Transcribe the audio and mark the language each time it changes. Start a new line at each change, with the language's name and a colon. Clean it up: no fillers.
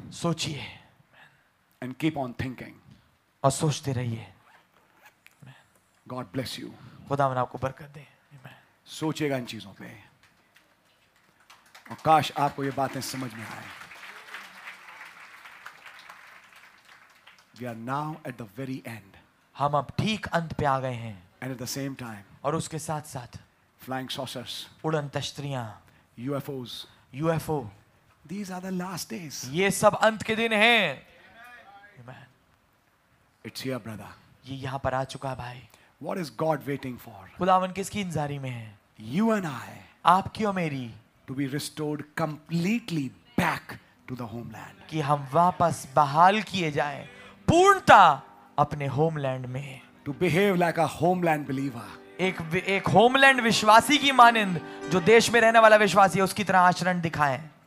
Hindi: सोचिए.
English: And keep on thinking.
Hindi: और सोचते रहिए.
English: God bless you.
Hindi: खुदा मन आपको बरकत दे. सोचिएगा इन चीजों पे. और काश आपको ये बातें समझ में आए.
English: We are now at the very end.
Hindi: हम अब ठीक अंत पे आ गए हैं.
English: And at the same time.
Hindi: और उसके साथ साथ.
English: Flying saucers.
Hindi: उड़न तश्तरियाँ.
English: UFOs. UFO. These are the last days.
Hindi: ये सब अंत के दिन हैं.
English: Amen. It's here, brother.
Hindi: ये यहाँ पर आ चुका है भाई.
English: What is God waiting for?
Hindi: खुदावन किसकी इंतजारी में है?
English: You and I.
Hindi: आपकी और मेरी.
English: To be restored completely back to the homeland.
Hindi: कि हम वापस बहाल किए जाएं पूर्णता अपने होमलैंड में.
English: To behave like a homeland believer.
Hindi: एक होमलैंड विश्वासी की मानिंद, जो देश में रहने वाला विश्वासी है, उसकी तरह आचरण दिखाएं.